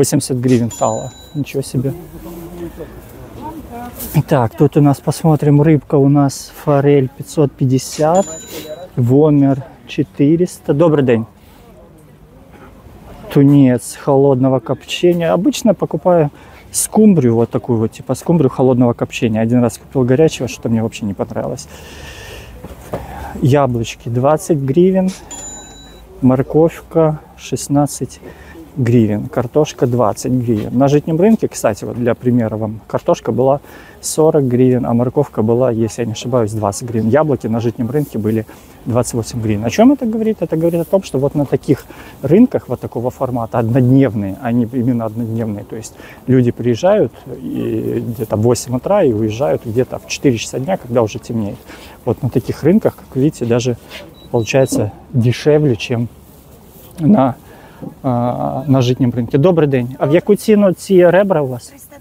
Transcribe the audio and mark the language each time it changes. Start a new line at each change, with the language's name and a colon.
Ukrainian: 80 гривень стало. Нічого собі. Так, тут у нас,
Russian: посмотрим,
Ukrainian: рибка у нас форель 550, вомер 400. Добрий день. Тунец холодного копчення.
Russian: Обычно покупаю скумбрию, вот такую вот, типа скумбрию холодного копчения. Один раз купил горячего, что-то мне вообще не понравилось. Яблочки 20 гривен. Морковка 16 гривен. Картошка 20 гривен. На житнем рынке, кстати, вот для примера вам, картошка была 40 гривен, а морковка была, если я не ошибаюсь, 20 гривен. Яблоки на житнем рынке были 28 гривен. О чем это говорит? Это говорит о том, что вот на таких рынках вот такого формата, однодневные, они именно однодневные, то есть люди приезжают и где-то в 8 утра и уезжают где-то в 4 часа дня, когда уже темнеет. Вот на таких рынках, как вы видите, даже получается дешевле, чем на житнем рынке. Добрый день.
Ukrainian: А в яку ціну ці ребра у вас?